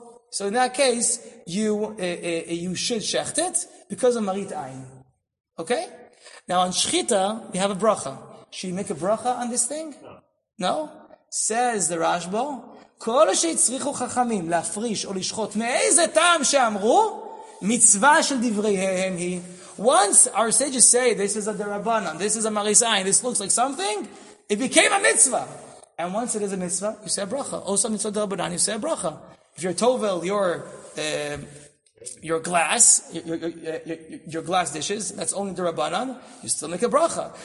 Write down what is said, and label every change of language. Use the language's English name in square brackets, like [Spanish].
[English] So in that case, you should shecht it because of Marit Ayin. Okay? Now, on Shechita, we have a bracha. Should you make a bracha on this thing? No. Says the Rashbo, [Hebrew] כל שיצריכו חכמים להפריש או לשחוט מאיזה טעם שאמרו, מצווה של דבריהם היא. [English] Once our sages say, this is a derabanan, this is a Marit Ayin, this looks like something, it became a mitzvah. And once it is a mitzvah, you say a bracha. Also mitzvah derabanan, you say a bracha. If you're tovel, your glass dishes, that's only derabanan, you still make a bracha.